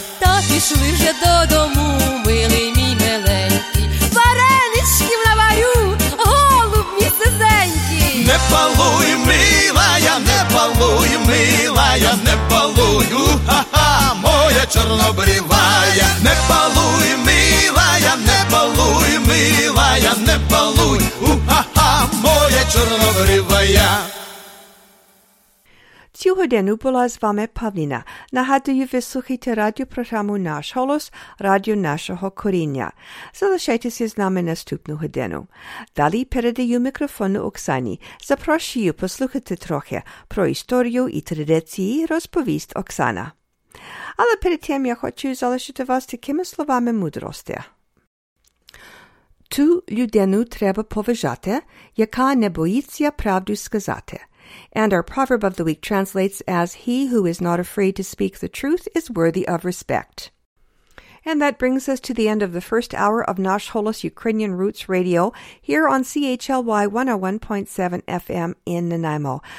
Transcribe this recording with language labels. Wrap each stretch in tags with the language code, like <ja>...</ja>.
<uk>Та пішли вже додому, милий мій миленький, варенички наварю, голуб мій сизенький. Не палуй, милая, не палуй, милая, не палуй, уха-ха, моя чорнобривая. Не палуй, милая, не палуй, милая, не палуй. Цього дня була з вами Павліна. Нагадую, ви слухаєте радіопрограму «Наш голос», радіо нашого коріння. Залишайтеся з нами наступну годину. Далі передаю мікрофон Оксані. Запрошую послухати трохи про історію і традиції, розповість Оксана. Але перед тим я хочу залишити вас такими словами мудрості. Ту людину треба поважати, яка не боїться правду сказати.</uk> <en>And our proverb of the week translates as, "He who is not afraid to speak the truth is worthy of respect." And that brings us to the end of the first hour of Nash Holos Ukrainian Roots Radio here on CHLY 101.7 FM in Nanaimo.</en>